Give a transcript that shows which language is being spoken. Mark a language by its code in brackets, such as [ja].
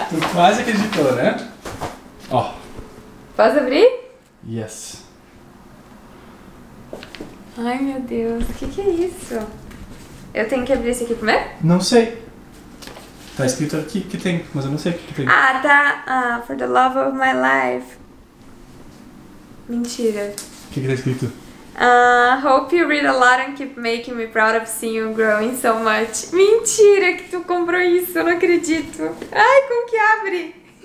[pt] Tu quase acreditou, né? Ó. Oh. Posso abrir? [en] Yes. [pt] Ai, meu Deus, o que que é isso? Eu tenho que abrir esse aqui primeiro? Não sei. Tá escrito aqui que tem, mas eu não sei o que tem. Ah, tá. [en] Ah, for the love of my life. [pt] Mentira. O que que tá escrito? [en] Hope you read a lot and keep making me proud of seeing you growing so much. [pt] Mentira que tu comprou isso, eu não acredito. Ai, como que abre?